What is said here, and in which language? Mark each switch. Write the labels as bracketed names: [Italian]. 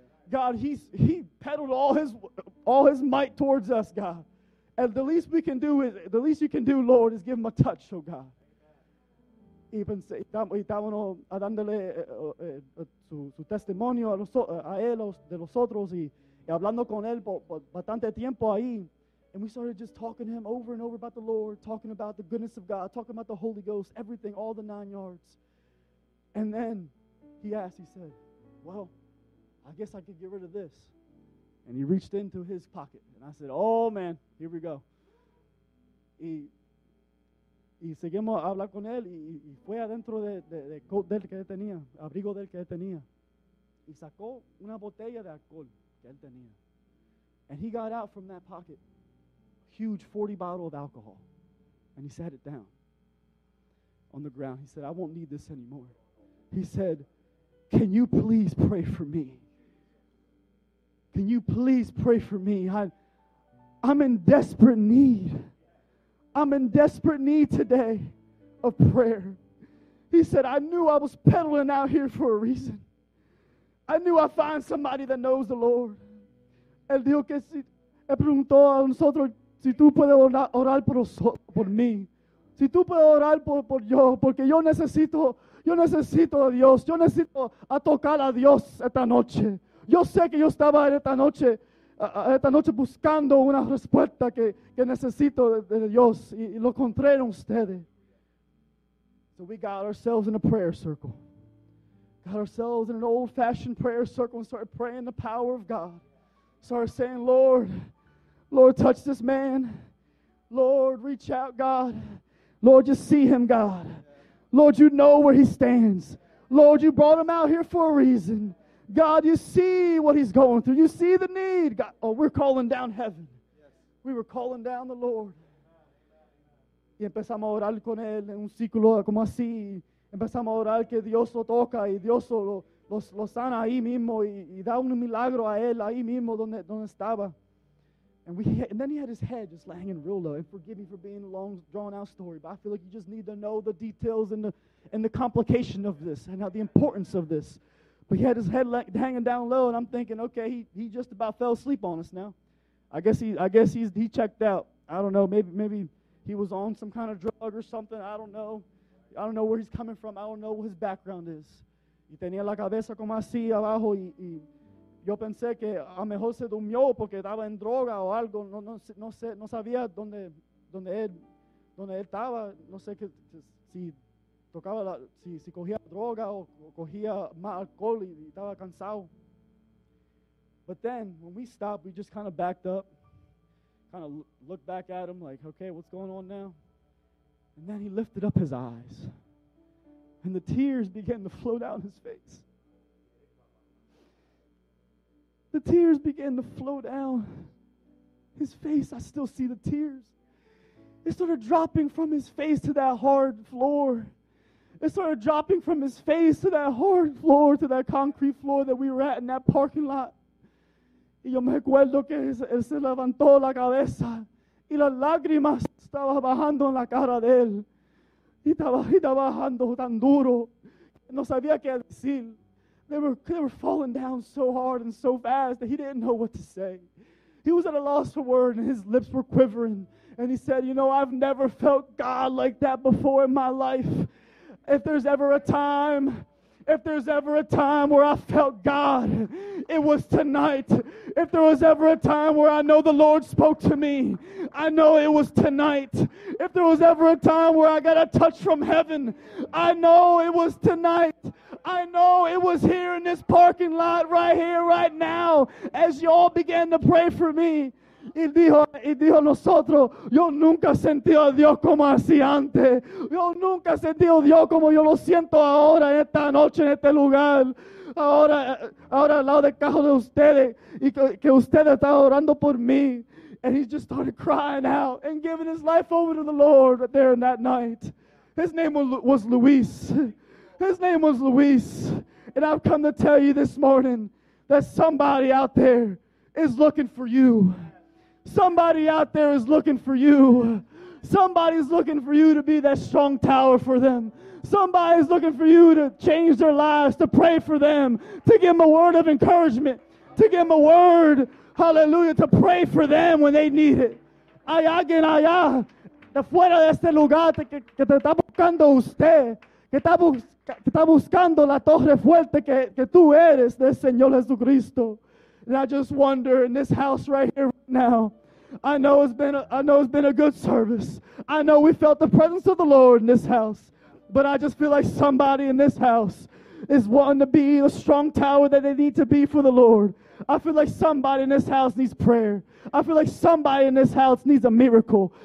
[English] God, he peddled all his might towards us, God. And the least we can do is, the least you can do, Lord, is give him a touch, oh God. Even say, [Spanish] estábamos dándole su testimonio a él de nosotros y hablando con él por bastante tiempo ahí. [English] And we started just talking to him over and over about the Lord, talking about the goodness of God, talking about the Holy Ghost, everything, all the nine yards. And then he asked, he said, well, I guess I could get rid of this. And he reached into his pocket. And I said, oh, man, here we go. [Spanish] Y seguimos a hablar con él. Y fue adentro de coat del que él tenía, abrigo del que él tenía. Y sacó una botella de alcohol que él tenía. [English] And he got out from that pocket a huge 40 bottle of alcohol. And he sat it down on the ground. He said, I won't need this anymore. He said, can you please pray for me? Can you please pray for me? I'm in desperate need. I'm in desperate need today of prayer. He said, I knew I was peddling out here for a reason. I knew I'd find somebody that knows the Lord. [Spanish] Él dijo que si, él preguntó a nosotros, si tú puedes orar por mí. Si tú puedes orar por yo, porque yo necesito a Dios. Yo necesito a tocar a Dios esta noche. Yo sé que yo estaba esta noche buscando una respuesta que necesito de Dios y lo encontré en ustedes. [English] So we got ourselves in a prayer circle. Got ourselves in an old-fashioned prayer circle and started praying the power of God. Started saying, Lord, Lord, touch this man. Lord, reach out, God. Lord, just see him, God. Lord, you know where he stands. Lord, you brought him out here for a reason. God, you see what he's going through. You see the need. God, oh, we're calling down heaven. We were calling down the Lord. [Spanish] Y empezamos a orar con él en un círculo como así. Empezamos a orar que Dios lo toca y Dios lo sana ahí mismo y da un milagro a él ahí mismo donde estaba. [English] And then he had his head just hanging real low. And forgive me for being a long, drawn-out story, but I feel like you just need to know the details and the complication of this and the importance of this. But he had his head hanging down low, and I'm thinking, okay, he just about fell asleep on us now. I guess he checked out. I don't know. Maybe he was on some kind of drug or something. I don't know. I don't know where he's coming from. I don't know what his background is. [Spanish] Y tenía la cabeza como así abajo y yo pensé que a mejor se durmió porque estaba en droga o algo. No sabía dónde él estaba. No sé qué si. Tocaba la, si cogía droga o cogía más alcohol y estaba cansado. [English] But then, when we stopped, we just kind of backed up. Kind of looked back at him like, okay, what's going on now? And then he lifted up his eyes. And the tears began to flow down his face. The tears began to flow down his face. I still see the tears. It started dropping from his face to that hard floor. It started dropping from his face to that hard floor, to that concrete floor that we were at in that parking lot. [Spanish] Y yo me acuerdo que él se levantó la cabeza y las lágrimas estaban bajando en la cara de él. Y estaba bajando tan duro. No sabía qué decir. [English] They were falling down so hard and so fast that he didn't know what to say. He was at a loss for words and his lips were quivering. And he said, you know, I've never felt God like that before in my life. If there's ever a time where I felt God, it was tonight. If there was ever a time where I know the Lord spoke to me, I know it was tonight. If there was ever a time where I got a touch from heaven, I know it was tonight. I know it was here in this parking lot right here, right now, as you all began to pray for me. [Spanish] Y dijo nosotros, yo nunca sentí a Dios como así antes. Yo nunca sentí a Dios como yo lo siento ahora, esta noche, en este lugar. Ahora al lado del cajo de ustedes, y que ustedes están orando por mí. [English] And he just started crying out and giving his life over to the Lord there in that night. His name was Luis. His name was Luis. And I've come to tell you this morning that somebody out there is looking for you. Somebody out there is looking for you. Somebody's looking for you to be that strong tower for them. Somebody's looking for you to change their lives, to pray for them, to give them a word of encouragement, to give them a word, hallelujah, to pray for them when they need it. [Spanish] Hay alguien allá, de fuera de este lugar, que te está buscando usted, que está buscando la torre fuerte que tú eres del Señor Jesucristo. [English] And I just wonder, in this house right here right now, I know it's been a good service. I know we felt the presence of the Lord in this house. But I just feel like somebody in this house is wanting to be a strong tower that they need to be for the Lord. I feel like somebody in this house needs prayer. I feel like somebody in this house needs a miracle.